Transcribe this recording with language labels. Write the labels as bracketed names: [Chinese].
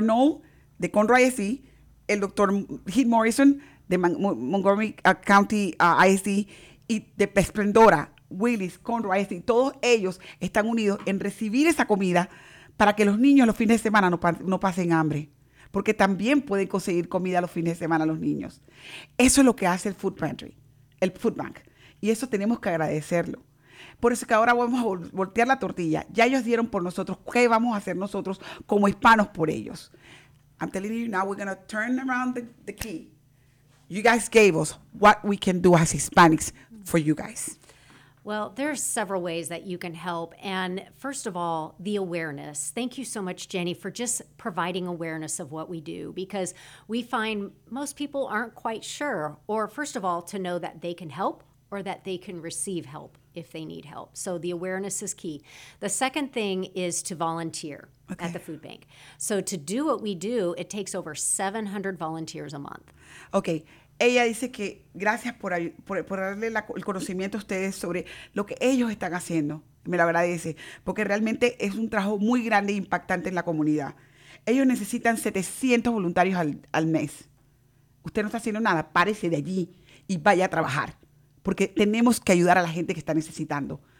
[Spanish] Knoll, de Conroy SC, el Dr. Heath Morrison, de Montgomery County ISD, y de Esplendora, Willis, Conroy, y todos ellos están unidos en recibir esa comida para que los niños los fines de semana no pasen hambre, porque también pueden conseguir comida los fines de semana los niños. Eso es lo que hace el Food Pantry, el Food Bank, y eso tenemos que agradecerlo. Por eso que ahora vamos a voltear la tortilla. Ya ellos dieron por nosotros, ¿qué vamos a hacer nosotros como hispanos por ellos? [English] I'm telling you now, we're going to turn around the key. You guys gave us what we can do as Hispanics for you guys. Well, there are several ways that you can help. And first of all, the awareness. Thank you so much, Jenny, for just providing awareness of what we do, because we find most people aren't quite sure, or first of all, to know that they can help or that they can receive help if they need help. So the awareness is key. The second thing is to volunteer at the food bank. So to do what we do, it takes over 700 volunteers a month. Okay. [Spanish] Ella dice que gracias por darle el conocimiento a ustedes sobre lo que ellos están haciendo. Me lo agradece, porque realmente es un trabajo muy grande e impactante en la comunidad. Ellos necesitan 700 voluntarios al mes. Usted no está haciendo nada, párese de allí y vaya a trabajar, porque tenemos que ayudar a la gente que está necesitando.